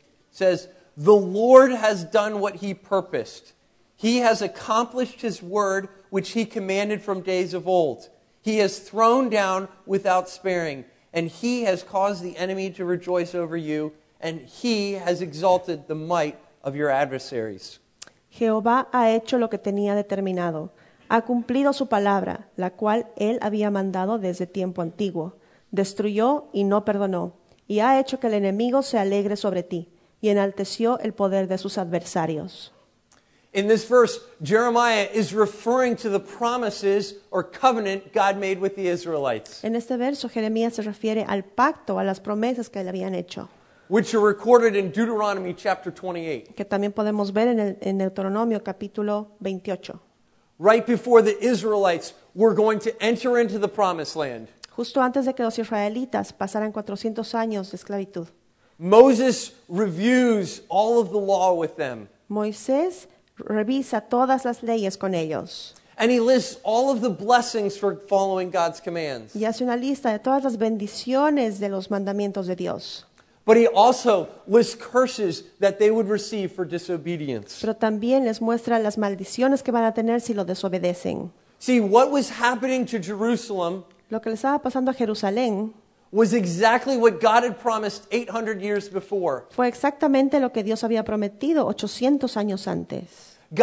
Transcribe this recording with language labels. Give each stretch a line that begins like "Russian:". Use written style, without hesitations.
English: Says, "The Lord has done what he purposed. He has accomplished his word which he commanded from days of old. He has thrown down without sparing, and he has caused the enemy to rejoice over you, and he has exalted the might of your adversaries."
Spanish: Jehová ha hecho lo que tenía determinado. Ha cumplido su palabra, la cual él había mandado desde tiempo antiguo. Destruyó y no perdonó. Y ha hecho que el enemigo se alegre sobre ti, y enalteció el poder de sus adversarios.
English: In this verse, Jeremiah is referring to the promises or covenant God made with the Israelites.
Spanish: En este verso, Jeremías se refiere al pacto, a las promesas que le habían hecho.
English: Which are recorded in Deuteronomy chapter 28.
Spanish: Que también podemos ver en Deuteronomio capítulo 28.
English: Right before the Israelites were going to enter into the promised land.
Spanish: Justo antes de que los israelitas pasaran 400 años de esclavitud.
English: Moses reviews all of the law with them.
Spanish: Moisés revisa todas las leyes con ellos.
English: And he lists all of the blessings for following God's commands.
Spanish: Y hace una lista de todas las bendiciones de los mandamientos de Dios.
English: But he also lists curses that they would receive for disobedience.
Spanish: Pero también les muestra las maldiciones que van a tener si lo desobedecen.
English: See, what was happening to Jerusalem,
Spanish: lo que le estaba pasando a Jerusalén,
English: was exactly what God had promised 800 years before.
Spanish: Fue exactamente lo que Dios había prometido 800 años antes.